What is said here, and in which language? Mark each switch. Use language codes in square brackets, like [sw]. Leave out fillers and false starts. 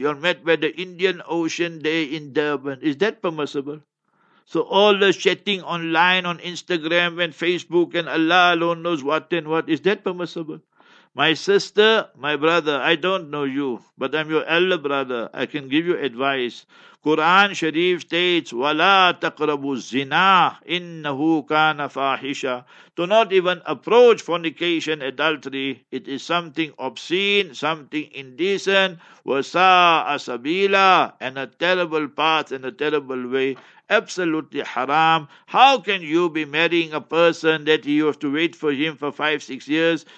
[en] You all met by the Indian Ocean Day in Durban. Is that permissible? So all the chatting online on Instagram and Facebook and Allah alone knows what and what, is that permissible? My sister, my brother, I don't know you, but I'm your elder brother. I can give you advice. Quran Sharif states, [ar] وَلَا تَقْرَبُوا الزِّنَا إِنَّهُ كَانَ فَاحِشَا. [en] Do not even approach fornication, adultery. It is something obscene, something indecent. [ar] وَسَاءَ سَبِيلَا. [en] And a terrible path and a terrible way. Absolutely haram. How can you be marrying a person that you have to wait for him for 5-6 years?